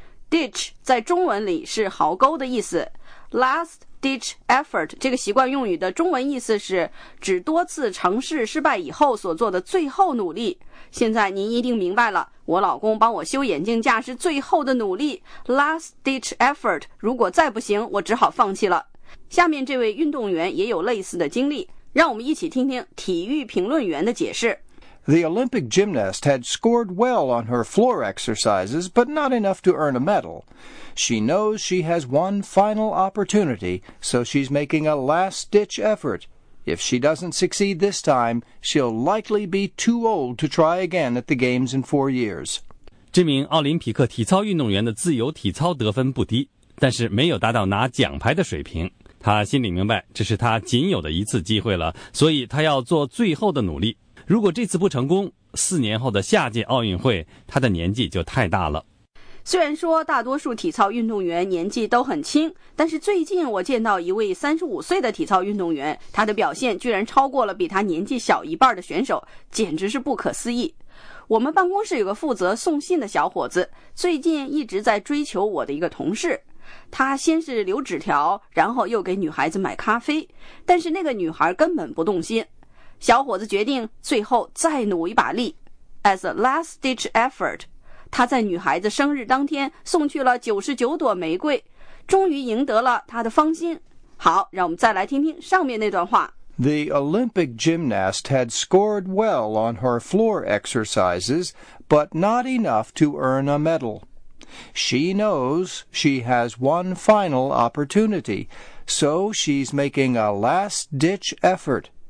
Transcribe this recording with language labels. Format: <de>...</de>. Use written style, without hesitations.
<zh>Ditch 在中文里是壕沟的意思。Last ditch effort 这个习惯用语的中文意思是指多次尝试失败以后所做的最后努力。现在您一定明白了，我老公帮我修眼镜架是最后的努力。 Last ditch effort, 如果再不行，我只好放弃了。下面这位运动员也有类似的经历。让我们一起听听体育评论员的解释。</zh> <en>The Olympic gymnast had scored well on her floor exercises, but not enough to earn a medal. She knows she has one final opportunity, so she's making a last-ditch effort. If she doesn't succeed this time, she'll likely be too old to try again at the games in 4 years.</en> <zh>这名奥林匹克体操运动员的自由体操得分不低，但是没有达到拿奖牌的水平。他他心里明白这是他仅有的一次机会了，所以他要做最后的努力。如果这次不成功，四年后的夏季奥运会，他的年纪就太大了。虽然说大多数体操运动员年纪都很轻，但是最近我见到一位35岁的体操运动员，他的表现居然超过了比他年纪小一半的选手，简直是不可思议。我们办公室有个负责送信的小伙子，最近一直在追求我的一个同事。他先是留纸条，然后又给女孩子买咖啡，但是那个女孩根本不动心。小伙子决定最后再努一把力 ，</zh> <en>as a last ditch effort。</en> <zh>他在女孩子生日当天送去了99朵玫瑰，终于赢得了她的芳心。好，让我们再来听听上面那段话。</zh> <en>The Olympic gymnast had scored well on her floor exercises, but not enough to earn a medal. She knows she has one final opportunity, so she's making a last-ditch effort.</en>